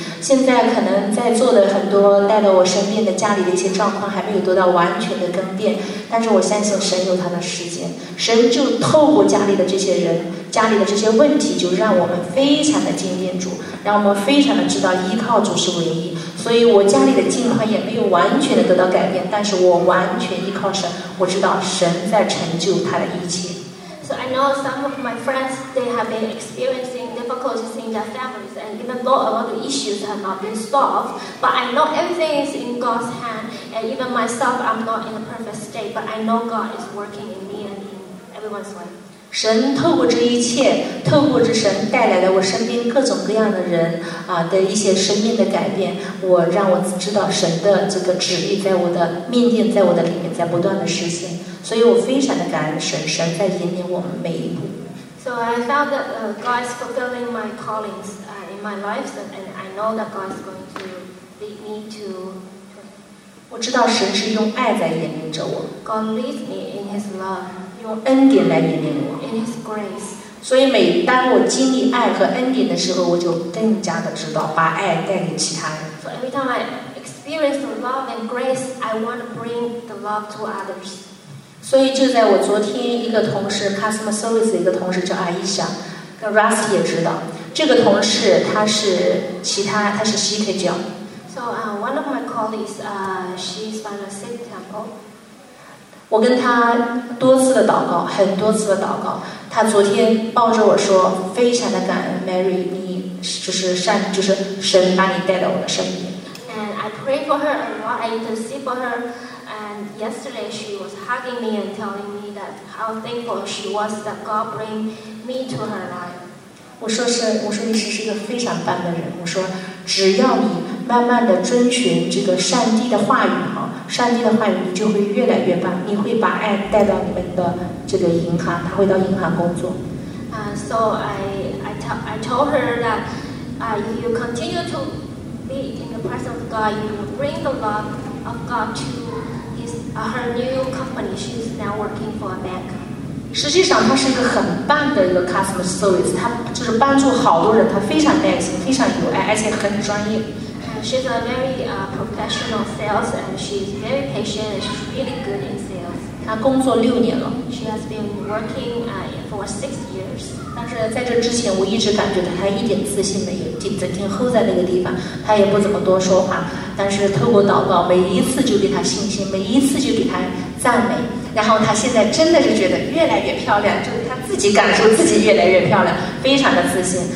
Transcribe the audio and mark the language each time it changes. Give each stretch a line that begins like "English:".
Chinese: 现在可能在座的很多带到我身边的家里的一些状况还没有得到完全的更变，但是我相信神有他的时间，神就透过家里的这些人，家里的这些问题，就让我们非常的经验主，让我们非常的知道依靠主是唯一。所以我家里的境况也没有完全的得到改变，但是我完全依靠神，我知道神在成就他的一切。
English: So I know some of my friends, they have been experiencing difficulties in their families, and even though a lot of issues have not been solved, but I know everything is in God's hand, and even myself, I'm not in a perfect state, but I know God is working in me and in everyone's life.
Chinese: 神透过这一切，透过这神带来的我身边各种各样的人啊的一些生命的改变，我让我知道神的这个旨意在我的命定，在我的里面在不断的实现，所以我非常的感恩神，神在引领我们每一步。
English: So I felt that God is fulfilling my callings in my life, and I know that God is going to lead me to.
Chinese: 我知道神是用爱在引领着我。
English: God leads me in His love.
Chinese: 用恩典来引领我。
English: In His grace.
Chinese: 所以每当我经历爱和恩典的时候，我就更加的知道把爱带给其他人。
English: So every time I experience the love and grace, I want to bring the love to others.
Chinese: 所以就在我昨天，一个同事 customer service 一个同事叫 Aisha， 跟 Rust 也知道这个同事，他是西特教。
English: So one of my colleagues, she's from the Sikh temple.
Chinese: 我跟他多次的祷告，很多次的祷告。他昨天抱着我说，非常的感恩 Mary， 你就是善，就是神把你带到我的身边。
English: And I pray for her a lot. I intercede for her. And yesterday she was hugging me and telling me that how thankful she was that God bring me to her life.
Chinese: 我说你是一个非常棒的人。我说只要你慢慢的遵循这个上帝的话语哈，上帝的话语你就会越来越棒，你会把爱带到你们的这个银行，他会到银行工作。
English: So I told her that you continue to be in the presence of God, you will bring the love of God to. Her new company. She's now working for a bank.
Chinese: 实际上，她是一个很棒的一个 customer service. 她就是帮助好多人，她非常耐心，非常有爱，而且很专业。
English: She's a very professional sales, and she's very patient. And she's really good in sales.
Chinese: 她工作六年了。
English: She has been working for 6 years.
Chinese: 但是在这之前，我一直感觉到她一点自信没有，整天候在那个地方，她也不怎么多说话。但是透过祷告，每一次就给他信心，每一次就给他赞美，然后他现在真的是觉得越来越漂亮，就是他自己感受自己越来越漂亮，非常的自信。